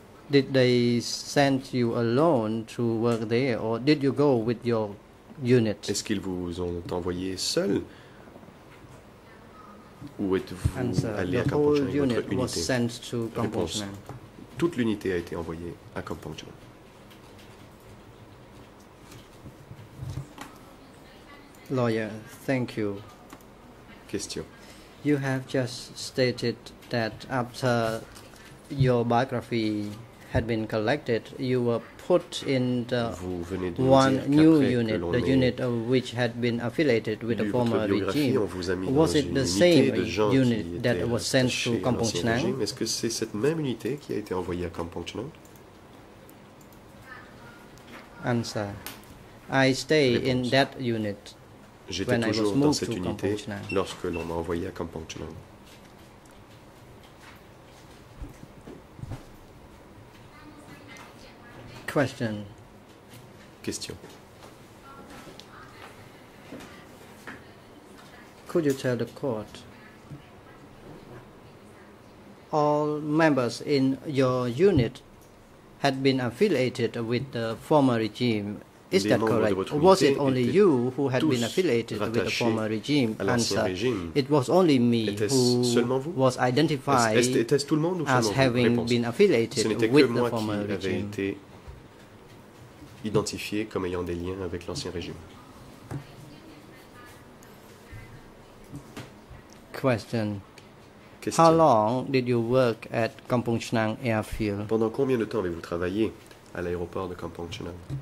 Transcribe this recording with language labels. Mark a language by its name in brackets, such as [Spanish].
[English] Did they send you alone to work there, or did you go with your unit? [French] Est-ce qu'ils vous ont envoyé seul, ou êtes-vous allé à Kampong Chang? Toute l'unité a été envoyée à Kampong Chang. [English] Lawyer, thank you. Question. You have just stated that after your biography had been collected, you were put in the one new unit, the unit of which had been affiliated with the former regime. Was it the same unit that was sent to Kampong Chang? [French] Est-ce que c'est cette même unité qui a été envoyée à Kampong Chang? [English] Answer. I stay in that unit. [French] J'étais toujours dans cette unité lorsque l'on m'a envoyé à Kampong Chang. [English] Question. Could you tell the court all members in your unit had been affiliated with the former regime? Is that correct? Was it only you who had been affiliated with the former regime? Answer. It was only me who was identified as having been affiliated with the former regime. [French] Identifié comme ayant des liens avec l'ancien régime. [English] Question. How long did you work at Kampong Chang Airfield? [French] Pendant combien de temps avez-vous travaillé à l'aéroport de Kampong Chang?